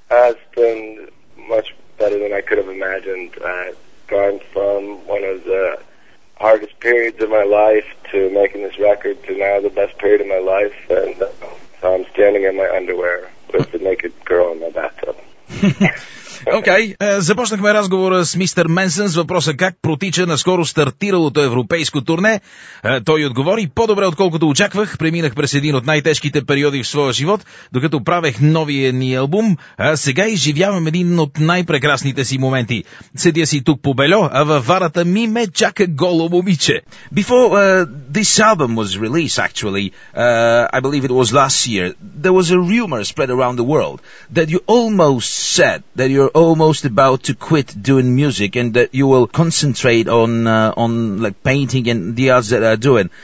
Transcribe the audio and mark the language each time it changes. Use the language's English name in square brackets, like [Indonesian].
[English] It's been much better than I could have imagined. I've gone from one of the hardest periods of my life to making this record to now the best period of my life, and so I'm standing in my underwear with the naked girl in my bathtub. [Bulgarian] Окей, започнахме разговора с мистер Менсън с въпроса как протича наскоро стартиралото европейско турне. Той отговори, по-добре отколкото очаквах, преминах през един от най-тежките периоди в своя живот, докато правех новия ни албум, а сега изживявам един от най-прекрасните си моменти. Седя си тук по бельо, а във варата ми ме чака голо момиче. [English] Before this album was released, actually, I believe it was last year, there was a rumor spread around the world that you almost said that you're almost about to quit doing music and that you will concentrate on like painting and the arts that are doing.